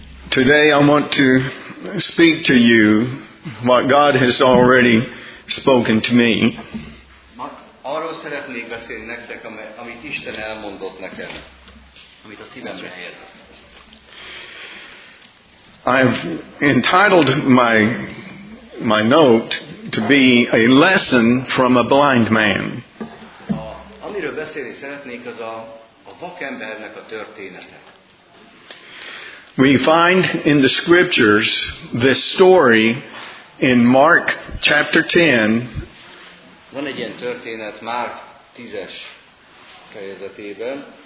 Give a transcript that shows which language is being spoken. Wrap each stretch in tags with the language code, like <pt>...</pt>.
<en>Today I want to speak to you what God has already spoken to me.</en> <hu>Arról szeretnék beszélni nektek, amit Isten elmondott nekem, amit a szívemre helyezett.</hu> <en>I've entitled my note to be a lesson from a blind man.</en> <hu>Amiről beszélni szeretnék, az a vakembernek a története.</hu> <en>We find in the scriptures this story in Mark chapter 10.</en> <hu>Van egy ilyen történet Márk 10-es fejezetében.</hu>